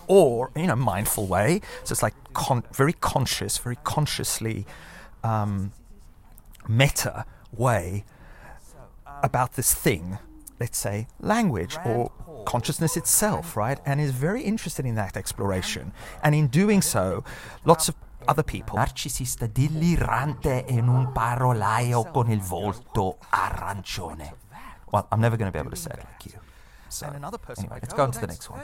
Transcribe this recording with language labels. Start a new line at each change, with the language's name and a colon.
English: Or, in a mindful way, so it's like very consciously meta way about this thing, let's say language or consciousness itself, right? And is very interested in that exploration. And in doing so, lots of other people.
Italian: Narcisista delirante in un parolaio con il volto arancione.
English: Well, I'm never going to be able to say it like you. So, and another person, anyway, let's go on to the next one.